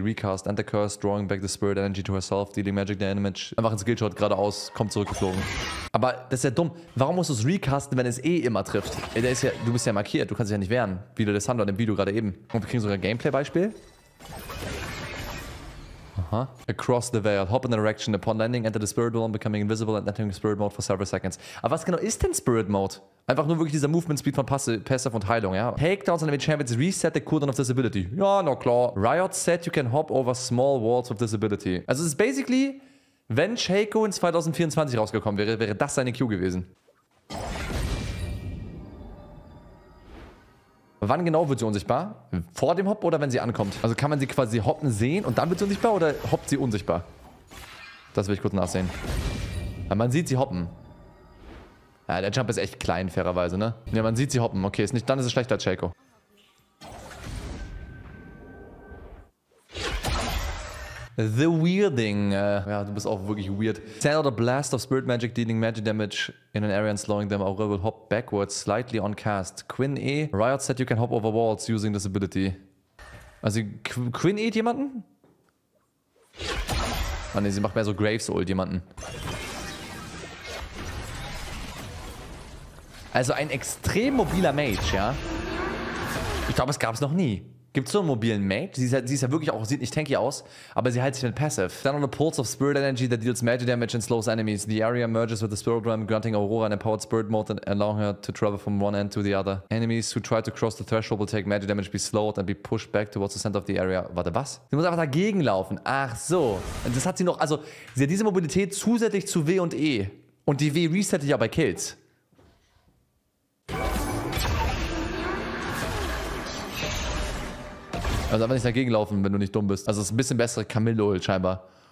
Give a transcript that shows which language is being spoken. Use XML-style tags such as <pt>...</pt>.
<en>Recast and the curse, drawing back the spirit energy to herself, dealing magic damage.</en> <de>Einfach ein Skillshot geradeaus, kommt zurückgeflogen. Aber das ist ja dumm. Warum musst du es recasten, wenn es eh immer trifft? Ey, der ist ja, du bist ja markiert, du kannst dich ja nicht wehren. Wie der Sandor in dem Video gerade eben. Und wir kriegen sogar ein Gameplay-Beispiel. Huh?</de> <en>Across the veil, hop in the direction upon landing, enter the spirit mode, becoming invisible and entering spirit mode for several seconds.</en> <de>Aber was genau ist denn spirit mode? Einfach nur wirklich dieser movement speed von Passive und Heilung, ja?</de> <en>Takedowns and enchantments reset the cooldown of this ability.</en> <de>Ja, na klar.</de> <en>Riot said you can hop over small walls of this ability.</en> <de>Also es ist basically, wenn Shaco in 2024 rausgekommen wäre, wäre das seine Q gewesen. Wann genau wird sie unsichtbar? Vor dem Hop oder wenn sie ankommt? Also kann man sie quasi hoppen sehen und dann wird sie unsichtbar oder hoppt sie unsichtbar? Das will ich kurz nachsehen. Ja, man sieht sie hoppen. Ja, der Jump ist echt klein, fairerweise, ne? Ja, man sieht sie hoppen. Okay, ist nicht, dann ist es schlechter, Shaco.</de> <en>The Weirding.</en> <de>Ja, du bist auch wirklich weird.</de> <en>Send out a blast of spirit magic, dealing magic damage in an area and slowing them. Aura will hop backwards, slightly on cast. Quinn E. Riot said you can hop over walls using this ability.</en> <de>Also, Quinn E. jemanden? Ah ne, sie macht mehr so Graves Ult jemanden. Also ein extrem mobiler Mage, ja? Ich glaube, es gab es noch nie. Gibt es so einen mobilen Mage? Sie ist ja wirklich auch, sieht nicht tanky aus, aber sie hält sich mit Passive.</de> <en>Stand on a pulse of spirit energy that deals magic damage and slows enemies. The area merges with the spirit realm, granting Aurora an empowered spirit mode and allowing her to travel from one end to the other. Enemies who try to cross the threshold will take magic damage, be slowed and be pushed back towards the center of the area.</en> <de>Warte, was? Sie muss einfach dagegen laufen. Ach so. Das hat sie noch, also sie hat diese Mobilität zusätzlich zu W und E. Und die W resettet ja bei Kills. Also einfach nicht dagegen laufen, wenn du nicht dumm bist. Also das ist ein bisschen bessere Camille-Ult scheinbar.</de>